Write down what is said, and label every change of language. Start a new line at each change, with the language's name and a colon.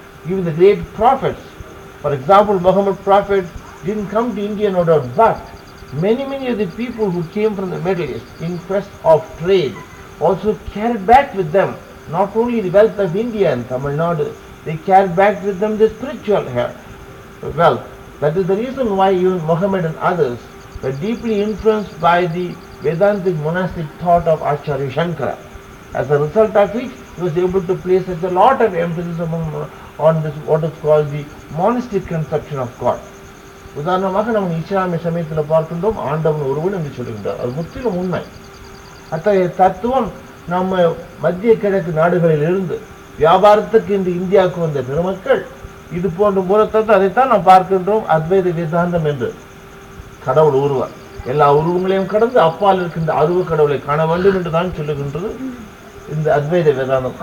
English: Even the great prophets, for example Muhammad prophet did come to India no doubt, but many of the people who came from the Middle East in quest of trade also carried back with them not only the wealth of India and Tamil Nadu, they carried back with them the spiritual wealth. That is the reason why even Muhammad and others were deeply influenced by the Vedantic monastic thought of Acharya Shankara. As a result of which, he was able to place such a lot of emphasis on this what is called the monistic conception of God.
Tamil: உதாரணமாக நம்ம இஸ்லாமிய சமயத்தில் பார்க்கின்றோம், ஆண்டவன் ஒருவன் என்று சொல்கின்றார். அது முற்றிலும் உண்மை. அத்தகைய தத்துவம் நம்ம மத்திய கிழக்கு நாடுகளில் இருந்து வியாபாரத்துக்கு இன்று இந்தியாவுக்கு வந்த பெருமக்கள் இது போன்ற மூலத்தை அதைத்தான் நாம் பார்க்கின்றோம். அத்வைத வேதாந்தம் என்று கடவுள் உருவம் எல்லா உருவங்களையும் கடந்து அப்பால் இருக்கின்ற அருவ கடவுளை காண வேண்டும் என்று தான் சொல்லுகின்றது இந்த அத்வைத வேதாந்தம்.